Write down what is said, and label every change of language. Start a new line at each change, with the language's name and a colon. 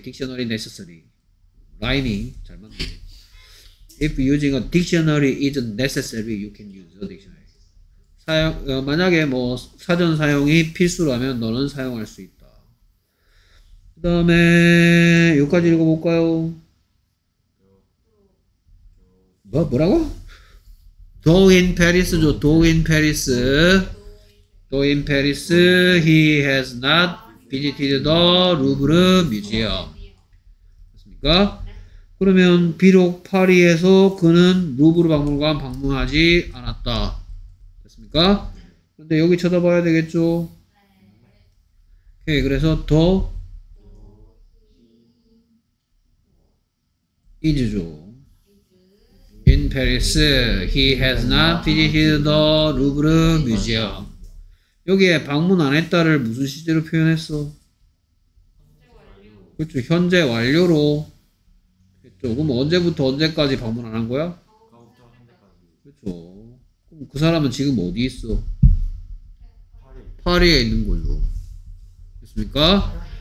English: Dictionary necessary.
Korean: 라이밍 잘 맞네.
English: If using a dictionary is necessary, you can use a dictionary.
Korean: 사용, 만약에 뭐 사전 사용이 필수라면 너는 사용할 수 있다. 그 다음에 여기까지 읽어볼까요? 뭐라고?
English: Though in Paris, though in Paris, though in Paris, he has not visited the Louvre Museum.
Korean: 맞습니까? 그러면 비록 파리에서 그는 루브르 박물관 방문하지 않았다. 됐습니까? 근데 여기 쳐다봐야 되겠죠? 오케이, 그래서 더 is죠.
English: In Paris, he has not visited the Louvre Museum.
Korean: 여기에 방문 안 했다를 무슨 시제로 표현했어? 그렇죠, 현재 완료로. 그럼 언제부터 언제까지 방문 안 한 거야? 그렇죠. 그럼 그 사람은 지금 어디 있어? 파리에 있는 걸로. 됐습니까?